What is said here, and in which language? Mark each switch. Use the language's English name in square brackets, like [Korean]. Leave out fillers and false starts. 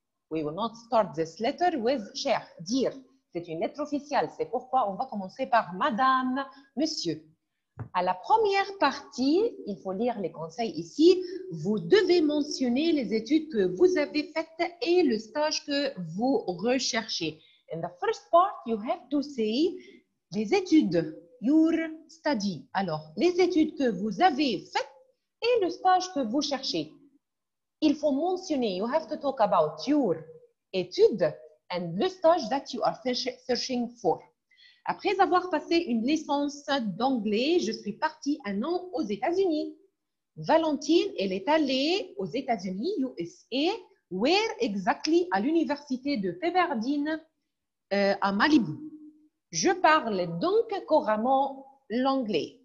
[English] We will not start this letter with « cher », « dire ». [French] C'est une lettre officielle, c'est pourquoi on va commencer par madame, monsieur. À la première partie, il faut lire les conseils ici, vous devez mentionner les études que vous avez faites et le stage que vous recherchez. [English] In the first part, you have to say [French] les études, [English] your study. [French] Alors, les études que vous avez faites et le stage que vous cherchez. Il faut mentionner, [English] you have to talk about your études. And the stage that you are searching for. [French] Après avoir passé une licence d'anglais, je suis partie un an aux États-Unis. Valentine, elle est allée aux États-Unis, USA, [English] where exactly? [French] À l'université de Pepperdine, à Malibu. Je parle donc couramment l'anglais.